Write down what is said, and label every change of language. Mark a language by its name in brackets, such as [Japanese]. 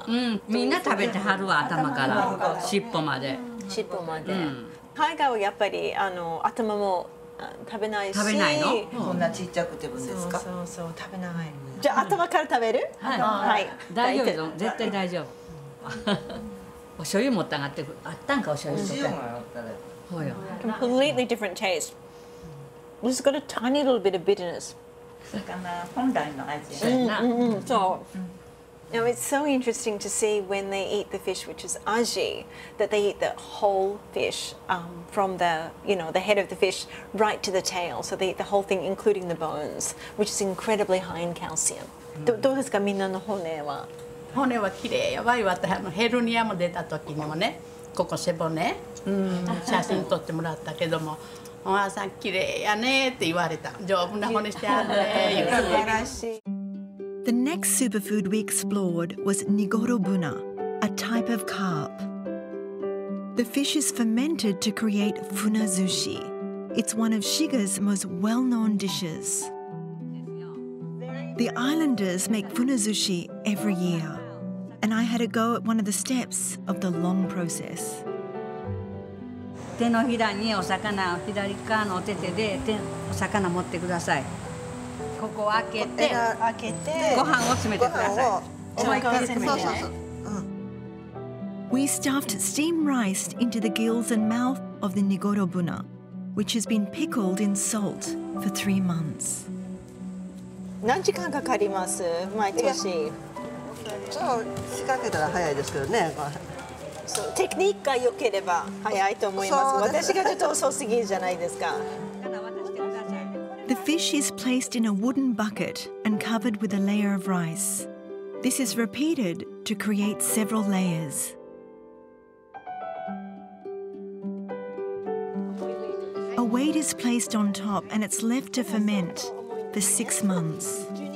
[Japanese] タベスタイルは例えば、頭から食べるとか。みんな食べてはるわ、頭から。尻尾まで。尻尾まで。海外はやっぱり、頭も食べないし。食べないの？こんなちっちゃくてもですか？そうそうそう、食べないの。じゃあ頭から食べる？はい、はいはい、大丈夫、絶対大丈夫。お醤油持って上がってくる。あったんか、お醤油とか。お塩もあったら。ほうよ。 [English] Completely different taste. It's got a tiny little bit of bitterness. [Japanese] 魚本来の味やな。 [English] Now it's so interesting to see when they eat the fish, which is aji, that they eat the whole fish from the, you know, the head of the fish right to the tail. So they eat the whole thing, including the bones, which is incredibly high in calcium. [Japanese] どうですか、みんなの骨は？骨はきれいやばいわ。あのヘルニアも出た時にもね、ここ背骨、写真撮ってもらったけども。お母さん、きれいやねって言われた。丈夫な骨してあるね。素晴らしい。 [English] The next superfood we explored was nigorobuna, a type of carp. The fish is fermented to create funazushi. It's one of Shiga's most well-known dishes. The islanders make funazushi every year, and I had a go at one of the steps of the long process. [Japanese] 手のひらにお魚、左側のお手手で手お魚持ってください。ここを開けて、ご飯を詰めてください。ご飯を詰めてね。そうそうそう。 [English] We stuffed steamed rice into the gills and mouth of the nigorobuna, which has been pickled in salt for 3 months. [Japanese] 何時間かかります？毎年。ちょっと仕掛けたら早いですけどね。そう、テクニックが良ければ早いと思います。私がちょっと遅すぎじゃないですか。 [English] The fish is placed in a wooden bucket and covered with a layer of rice. This is repeated to create several layers. A weight is placed on top and it's left to ferment for 6 months.